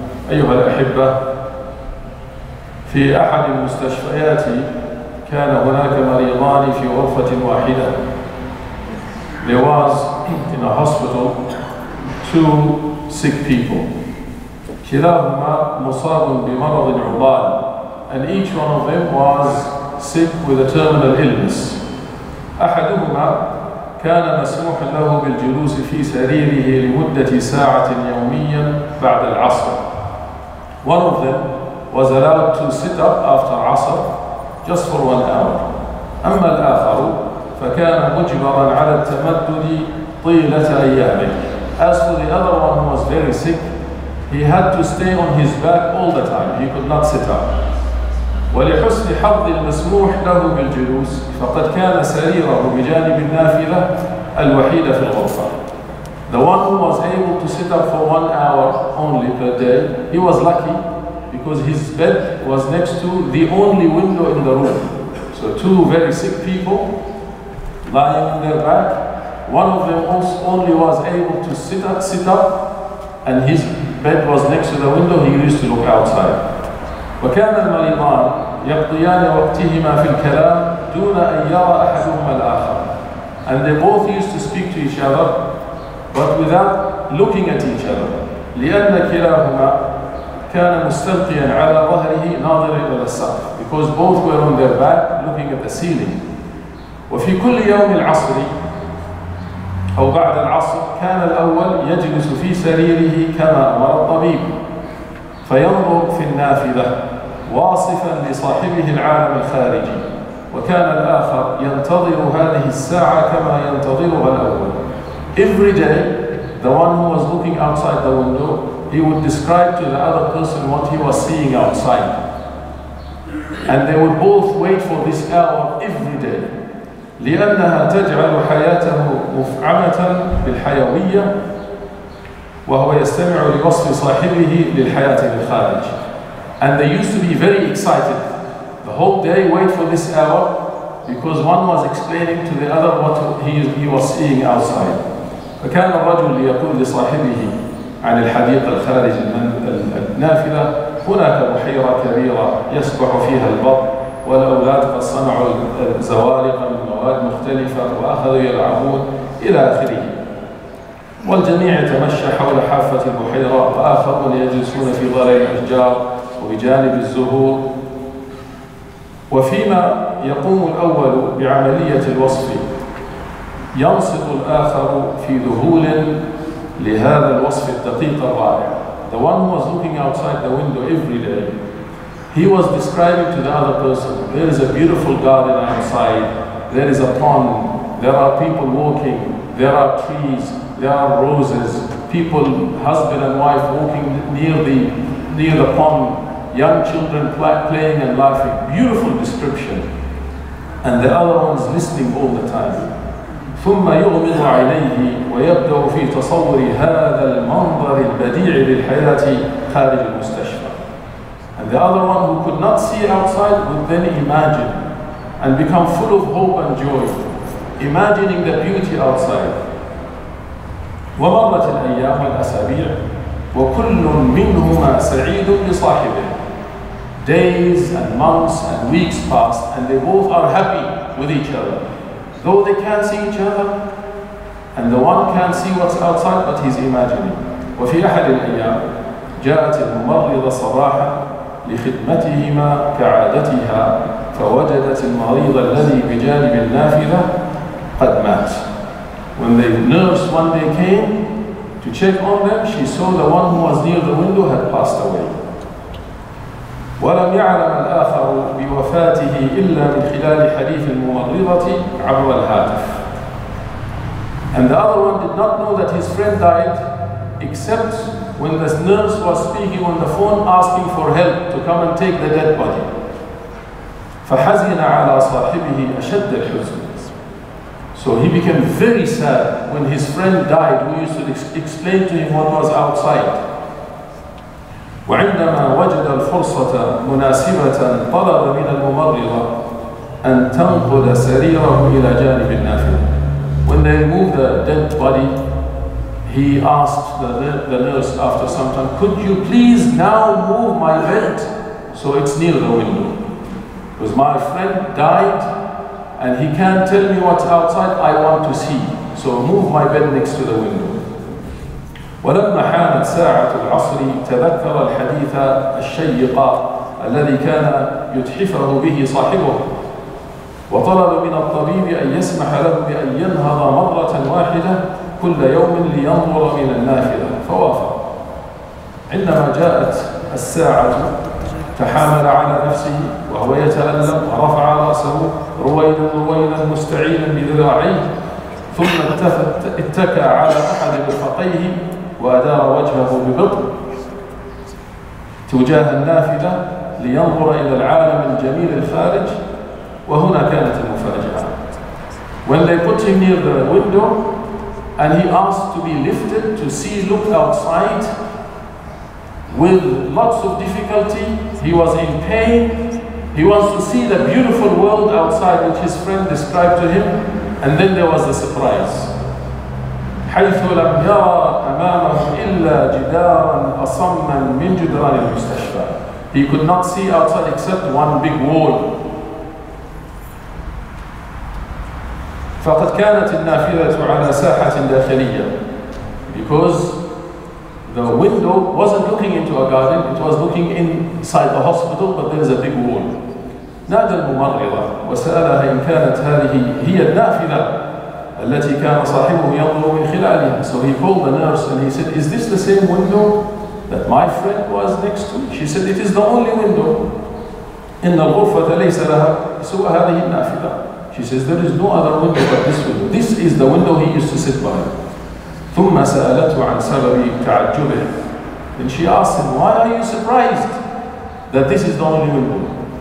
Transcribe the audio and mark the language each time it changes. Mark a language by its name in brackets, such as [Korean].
[Arabic] أيها الأحبة، في أحد المستشفيات كان هناك مريضان في غرفة واحدة. [English] There was in a hospital two sick people. [Arabic] كلاهما مصاب بمرض عضال. [English] And each one of them was sick with a terminal illness. [Arabic] أحدهما كان مسموح له بالجلوس في سريره لمدة ساعة يوميا بعد العصر. [English] One of them was allowed to sit up after عصر just for 1 hour. [Arabic] أما الآخر فكان مجبرا على التمدد طيلة أيامه. [English] As for the other one who was very sick, he had to stay on his back all the time. He could not sit up. [Arabic] ولحسن حظ المسموح له بالجلوس فقد كان سريره بجانب النافذة الوحيدة في الغرفة. [English] The one who was able to sit up for 1 hour only per day, he was lucky because his bed was next to the only window in the room. So two very sick people lying on their back, one of them only was able to sit up and his bed was next to the window, he used to look outside. [Arabic] وكان المريضان يقضيان وقتهما في الكلام دون أن يرى أحدهما الآخر. [English] And they both used to speak to each other, but without looking at each other. [Arabic] لأن كلاهما كان مستلقيا على ظهره ناظرا إلى السقف. [English] Because both were on their back looking at the ceiling. [Arabic] وفي كل يوم العصر أو بعد العصر كان الأول يجلس في سريره كما أمر الطبيب. فينظر في النافذة واصفا لصاحبه العالم الخارجي، وكان الآخر ينتظر هذه الساعة كما ينتظرها الأول. [English] Every day, the one who was looking outside the window, he would describe to the other person what he was seeing outside. And they would both wait for this hour every day. [Arabic] لأنها تجعل حياته مفعمة بالحيوية وهو يستمع لوصف صاحبه للحياة بالخارج. [English] And they used to be very excited. The whole day wait for this hour because one was explaining to the other what he was seeing outside. [Arabic] فكان الرجل ليقول لصاحبه عن الحديقة الخارج من النافذة: هناك بحيرة كبيرة يسبح فيها البط والأولاد قد صنعوا زوارق من مواد مختلفة وأخذوا يلعبون إلى آخره. والجميع يتمشى حول حافة البحيرة وآخرون يجلسون في ظلال الأشجار وبجانب الزهور. وفيما يقوم الأول بعملية الوصف ينصت الآخر في ذهول لهذا الوصف الدقيق الرائع. [English] The one who was looking outside the window every day, he was describing to the other person, there is a beautiful garden outside, there is a pond, there are people walking, there are trees, there are roses, people, husband and wife walking near the pond, young children playing and laughing. Beautiful description. And the other one's listening all the time. [Arabic] ثم يغمض عينيه ويبدأ في تصور هذا المنظر البديع للحياة خارج المستشفى. [English] And the other one who could not see outside would then imagine and become full of hope and joy, imagining the beauty outside. [Arabic] ومرت الأيام والأسابيع وكل منهما سعيد لصاحبه. [English] Days and months and weeks pass and they both are happy with each other. Though they can't see each other, And the one can see what's outside, but he's imagining. [Arabic] وفي أحد الأيام جاءت الممرضة صباحا لخدمتهما كعادتها فوجدت المريض الذي بجانب النافذة قد مات. [English] When the nurse one day came to check on them, she saw the one who was near the window had passed away. [Arabic] ولم يعلم الآخر بوفاته إلا من خلال حديث الممرضة عبر الهاتف. [English] And the other one did not know that his friend died except when the nurse was speaking on the phone asking for help to come and take the dead body. [Arabic] فحزن على صاحبه أشد الحزن. [English] So he became very sad when his friend died, who used to explain to him what was outside. [Arabic] وعندما وجد الفرصة مناسبة طلب من الممرضة أن تنقل سريره إلى جانب النافذة. [English] When they moved the dead body, he asked the nurse after some time, could you please now move my bed so it's near the window? Because my friend died and he can't tell me what's outside, I want to see. So move my bed next to the window. [Arabic] ولما حانت ساعة العصر تذكر الحديث الشيق الذي كان يتحفه به صاحبه وطلب من الطبيب أن يسمح له بأن ينهض مرة واحدة كل يوم لينظر من النافذة فوافق. عندما جاءت الساعة تحامل على نفسه وهو يتألم ورفع رأسه رويدا رويدا مستعينا بذراعيه ثم اتكى على أحد رفقيه وأدار وجهه ببطء تجاه النافذة لينظر إلى العالم الجميل الخارج. وهنا كانت المفاجأة. [English] When they put him near the window and he asked to be lifted to see, look outside, with lots of difficulty, he was in pain. He wants to see the beautiful world outside which his friend described to him. And then there was a surprise. [Arabic] حيث لم يرى أمامه إلا جداراً أصماً من جدران المستشفى. [English] He could not see outside except one big wall. [Arabic] فقد كانت النافذة على ساحة داخلية. [English] Because the window wasn't looking into a garden, it was looking inside the hospital, but there is a big wall. [Arabic] نادى الممرضة وسألها إن كانت هذه هي النافذة التي كان صاحبه ينظر من خلالها. [English] So he called the nurse and he said, is this the same window that my friend was next to? She said, it is the only window. [Arabic] إن الغرفة ليس لها سوى هذه النافذة. [English] She says, there is no other window but this window. This is the window he used to sit by. [Arabic] ثم سألته عن سبب تعجبه. [English] And she asked him, why are you surprised that this is the only window?